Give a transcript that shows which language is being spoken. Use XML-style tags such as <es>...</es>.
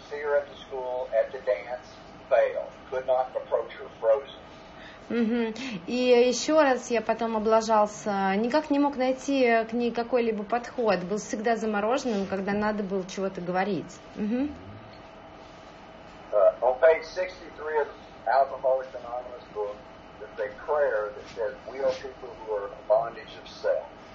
<en>See her at the school, at the dance. Fail. Could not approach her frozen.</en> <ru>И еще раз я потом облажался, никак не мог найти к ней какой-либо подход, был всегда замороженным, когда надо было чего-то говорить.</ru> <en>On page 63 of the Alcoholics Anonymous book, there's a prayer that says, we are people who are in bondage of self.</en>